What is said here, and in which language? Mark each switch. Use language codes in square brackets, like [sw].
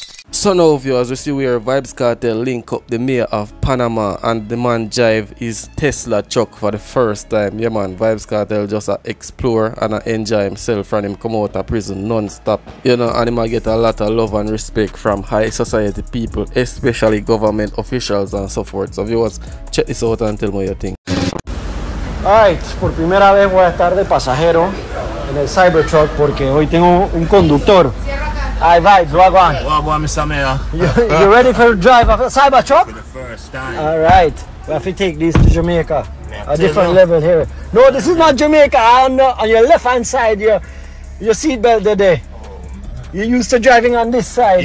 [en] So now viewers, we see where Vybz Kartel link up the mayor of Panama and the man drive his Tesla truck for the first time. Yeah man, Vybz Kartel just a explore and a enjoy himself from him come out of prison non-stop. You know, and he might get a lot of love and respect from high society people, especially government officials and so forth. So viewers, check this out and tell me your thing. [es] Alright, por primera vez voy a estar de pasajero en el Cybertruck porque hoy tengo un conductor. [en] Hi Vybz, what going on? What going on, Mr. Mayor? You ready for a drive of a Cybertruck? For the first time. Alright, we have to take this to Jamaica. A different level here. No, this is not Jamaica. On your left hand side, your seatbelt there. You're used to driving on this side,